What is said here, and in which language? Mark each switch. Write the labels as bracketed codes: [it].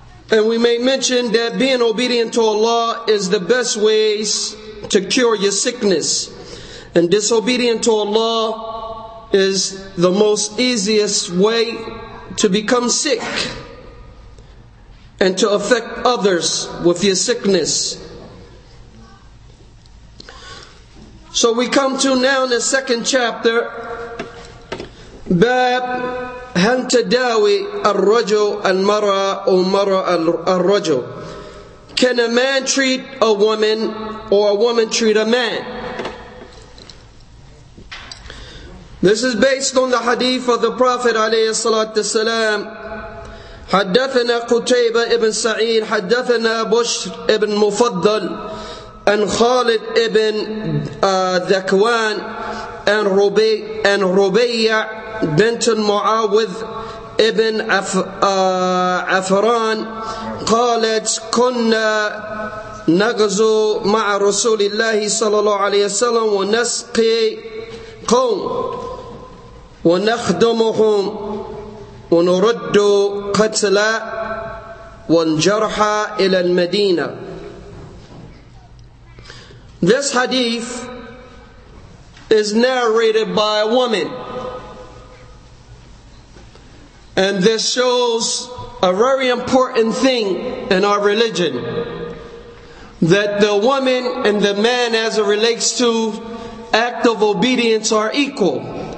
[en] And we may mention that being obedient to Allah is the best ways to cure your sickness. And disobedient to Allah is the most easiest way to become sick and to affect others with your sickness. So we come to now in the second chapter, [ar] باب هل تداوي الرجل المرأة أو المرأة الرجل. [en] Can a man treat a woman or a woman treat a man? This is based on the hadith of the Prophet [ar] عليه الصلاة والسلام. حدثنا قتيبة ابن سعيد حدثنا بشر ابن مفضل أن خالد ابن ذكوان أن ربيع بنت المعاوذ ابن عفران قالت كنا نغزو مع رسول الله صلى الله عليه وسلم ونسقي قوم ونخدمهم ونرد قتلى وانجرحى إلى المدينة. [en] This hadith is narrated by a woman, and this shows a very important thing in our religion, that the woman and the man as it relates to act of obedience are equal.